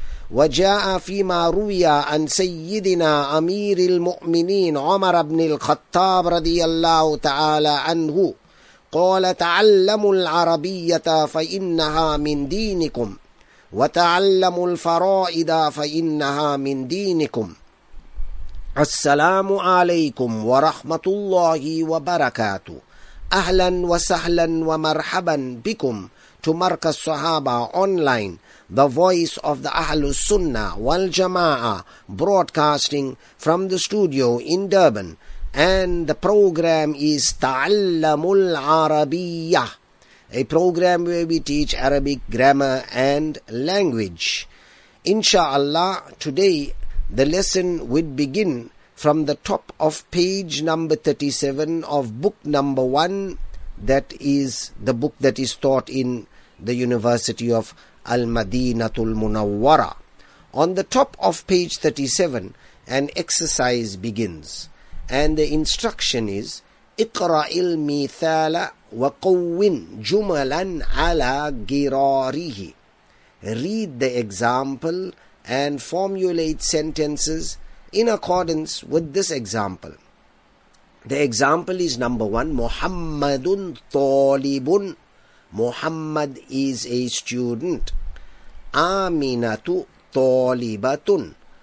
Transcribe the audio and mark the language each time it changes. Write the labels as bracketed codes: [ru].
[ar] وجاء فيما روي عن سيدنا أمير المؤمنين عمر بن الخطاب رضي الله تعالى عنه قال: تعلموا العربية فإنها من دينكم، وتعلموا الفرائض فإنها من دينكم. السلام عليكم ورحمة الله وبركاته. أهلا وسهلا ومرحبا بكم [en] to Markaz Sahaba Online, the voice of the Ahlus Sunnah wal Jama'ah, broadcasting from the studio in Durban. And the program is Ta'allamul Arabiyya, a program where we teach Arabic grammar and language. Insha'Allah, today the lesson would begin from the top of page number 37 of book number 1, that is the book that is taught in the University of Al-Madinatul Munawwara. On the top of page 37, an exercise begins. [ar] And the instruction is, اقرأ المثال وقوّن جملا على جراره. [en] Read the example and formulate sentences in accordance with this example. The example is number 1, Muhammadun Talibun. Muhammad is a student. Aminatu Talibatun.